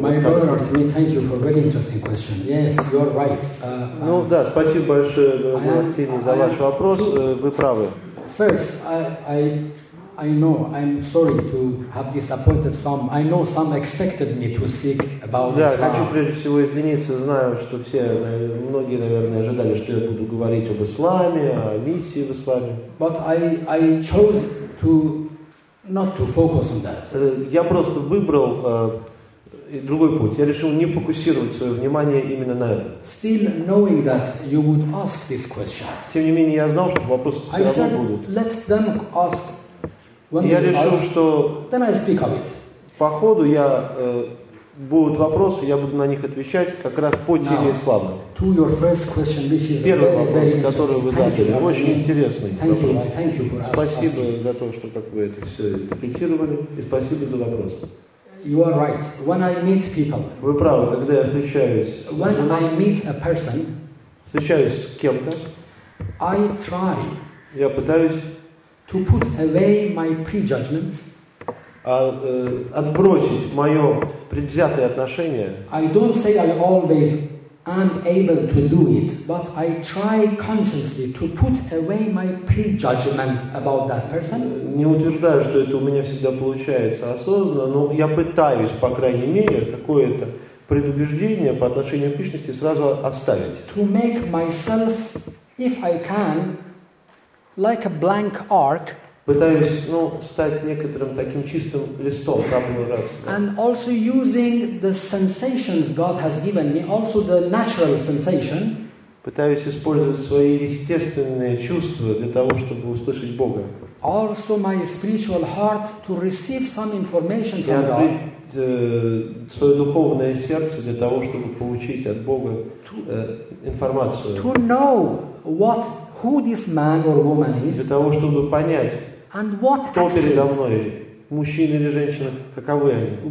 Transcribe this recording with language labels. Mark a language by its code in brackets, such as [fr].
[en] My brother, thank you for a very interesting question. Yes, you are right. [ru] Ну да, спасибо большое, Мартин, за ваш вопрос. Вы правы. [en] First, I know. I'm sorry to have disappointed some. I know some expected me to speak about. [ru] Да, хочу прежде всего извиниться. Знаю, что все, многие, наверное, ожидали, что я буду говорить об исламе, о миссии в исламе. [en] But I chose to. Not to focus on that. [ru] Я просто выбрал другой путь. Я решил не фокусировать свое внимание именно на этом. [en] Still knowing that you would ask this question. [ru] Тем не менее, я знал, что вопросы все равно будут. [en] Let them ask. [ru] Я решил, что [en] then I speak of it. [ru] По ходу я будут вопросы, я буду на них отвечать как раз по теме ислама. [en] To your first question, which is [ru] первый [en] very, [ru] вопрос, [en] very [ru] который вы задали, очень интересный. [en] Thank you. Thank you for [ru] спасибо us. За то, что как вы это все интерпретировали, и спасибо за вопрос. [en] You are right. When I meet people, [ru] вы правы, когда я встречаюсь, [en] when I meet a person, [ru] встречаюсь с кем-то, [en] I try [ru] я пытаюсь [en] to put away my prejudgments, [ru] отбросить мое предвзятое отношение. [en] I don't say I always am able to do it, but I try consciously to put away my prejudgment about that person. [ru] Не утверждаю, что это у меня всегда получается осознанно, но я пытаюсь, по крайней мере, какое-то предубеждение по отношению к личности сразу оставить. [en] To make myself, if I can, like a blank arc. [ru] Пытаюсь, ну, стать некоторым таким чистым листом, каплю раз. [en] And also using the sensations God has given me, also the natural sensation. [ru] Пытаюсь использовать свои естественные чувства для того, чтобы услышать Бога. [en] Also my spiritual heart to receive some information from God. [ru] И открыть свое духовное сердце для того, чтобы получить от Бога информацию. [en] To know what, who this man or woman is. [ru] Для того, чтобы понять. [en] And what [ru] кто передо мной, мужчина или женщина, каковы они?